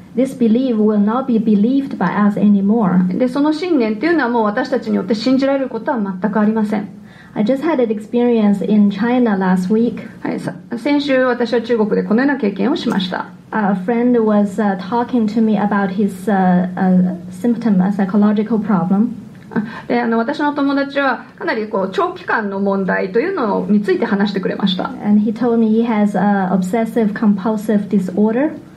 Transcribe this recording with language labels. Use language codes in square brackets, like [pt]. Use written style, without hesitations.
[en] This belief will not be believed by us anymore. [ja] でその信念というのはもう私たちによって信じられることは全くありません [en] I just had an experience in China last week.、 [ja] はい、先週私は中国でこのような経験をしました [en] A friend was talking to me about his symptom, a psychological problem. [ja] で私の友達はかなりこう長期間の問題というのについて話してくれました [en] And he told me he has a obsessive compulsive disorder